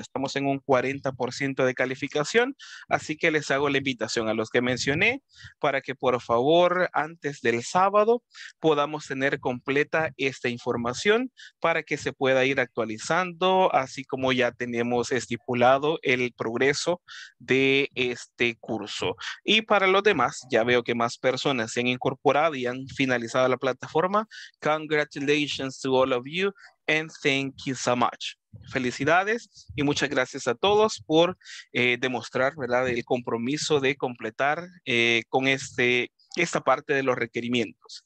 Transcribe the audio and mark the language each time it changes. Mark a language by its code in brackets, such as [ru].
[es] Estamos en un 40% de calificación, así que les hago la invitación a los que mencioné para que por favor antes del sábado podamos tener completa esta información para que se pueda ir actualizando, así como ya tenemos estipulado el progreso de este curso. Y para los demás, ya veo que más personas se han incorporado y han finalizado la plataforma. [en] Congratulations to all of you and thank you so much. [es] Felicidades y muchas gracias a todos por demostrar, ¿verdad?, el compromiso de completar con esta parte de los requerimientos.